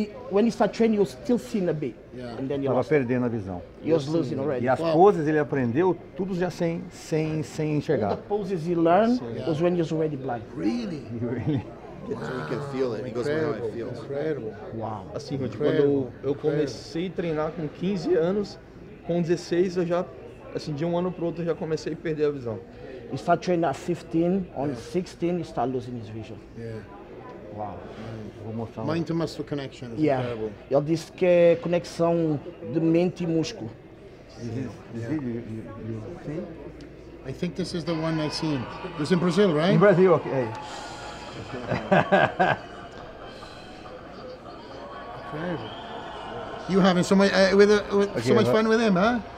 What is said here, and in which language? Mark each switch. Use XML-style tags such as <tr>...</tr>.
<en>When he started training, he was still seeing a bit. Yeah. And then</en> <pt>tava perdendo a visão.</pt> <en>He was losing already.</en> <pt>E as poses ele aprendeu, tudo já sem enxergar.</pt> <en>All the poses he learned was when he was already blind. Really? Really? Wow. So you can feel it. He goes, incredible. How I feel. Incredible. Wow.</en> <pt>Assim,</pt> <en>incredible.</en> <pt>Quando eu comecei a treinar com 15 anos, com 16 eu já, assim, de um ano para o outro, eu já comecei a perder a visão.</pt> <en>He started training at 15, on 16 he started losing his vision. Yeah. Wow. Mind to muscle connection is incredible.</en> <pt>Ele disse que é conexão de mente e músculo.</pt> <en>I think this is the one I've seen. It was in Brazil, right? In Brazil, okay. Incredible. You having so much fun with him, huh?</en>